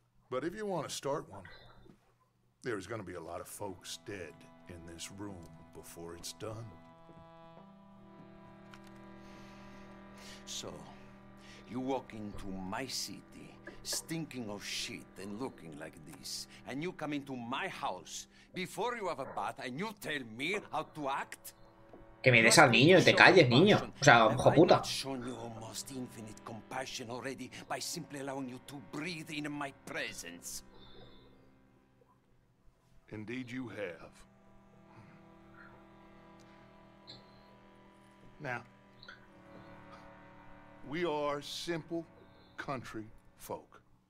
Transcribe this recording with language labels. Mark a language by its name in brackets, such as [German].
[English] But if you want to start one, there's gonna be a lot of folks dead in this room before it's done. So, you walk into my city, stinking of shit and looking like this, and you come into my house before you have a bath and you tell me how to act? [Spanish] Que me des al niño y te calles, niño. O sea, hijo puta. [English] I've shown you almost infinite compassion already by simply allowing you to breathe in my presence. Indeed you have. Now, we are simple country folk.